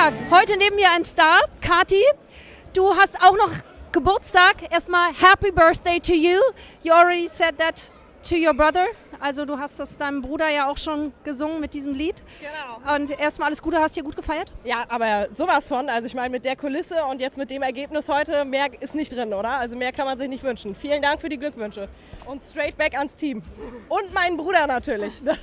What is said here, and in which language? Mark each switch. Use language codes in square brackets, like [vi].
[de] Heute neben mir ein Star, Kati. Du hast auch noch Geburtstag. Erstmal [en] Happy Birthday to you. You already said that to your brother. [de] Also du hast das deinem Bruder ja auch schon gesungen mit diesem Lied. Genau. Und erstmal alles Gute, hast hier gut gefeiert? Ja, aber sowas von. Also ich meine mit der Kulisse und jetzt mit dem Ergebnis heute, mehr ist nicht drin, oder? Also mehr kann man sich nicht wünschen. Vielen Dank für die Glückwünsche. Und [en] straight back [de] ans Team. Und meinen Bruder natürlich.